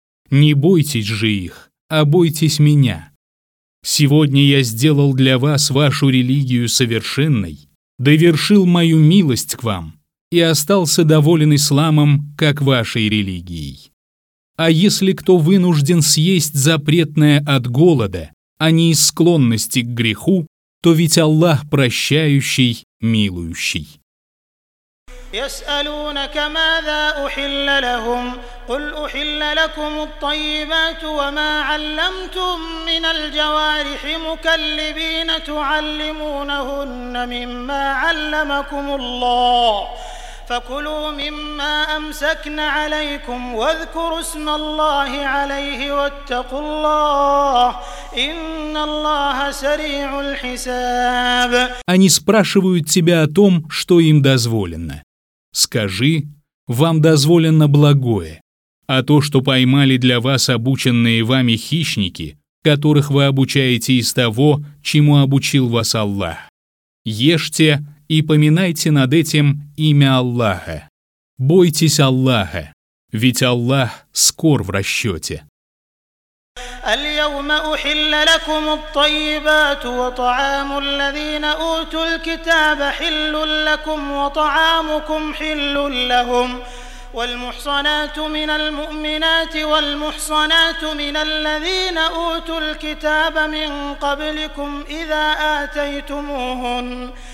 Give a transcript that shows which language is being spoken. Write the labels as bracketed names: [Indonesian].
[Russian] Не бойтесь же их, а бойтесь меня. Сегодня я сделал для вас вашу религию совершенной, довершил мою милость к вам и остался доволен исламом, как вашей религией. А если кто вынужден съесть запретное от голода, а не из склонности к греху, то ведь Аллах прощающий, милующий. [Arabic] يسألونك ماذا أحل لهم قل أحل لكم الطيبات وما علمتم من الجوارح مكلبين تعلمونهن مما علمكم الله فكلوا مما أمسكن عليكم واذكروا اسم الله عليه واتقوا الله إن الله سريع الحساب. [Russian] Они спрашивают тебя о том, что им дозволено. Скажи, вам дозволено благое, а то, что поймали для вас обученные вами хищники, которых вы обучаете из того, чему обучил вас Аллах. Ешьте и поминайте над этим имя Аллаха. Бойтесь Аллаха, ведь Аллах скор в расчете. [Arabic] اليوم أحل لكم الطيبات وطعام الذين أوتوا الكتاب حل لكم وطعامكم حل لهم والمحصنات من المؤمنات والمحصنات من الذين أوتوا الكتاب من قبلكم إذا آتيتموهن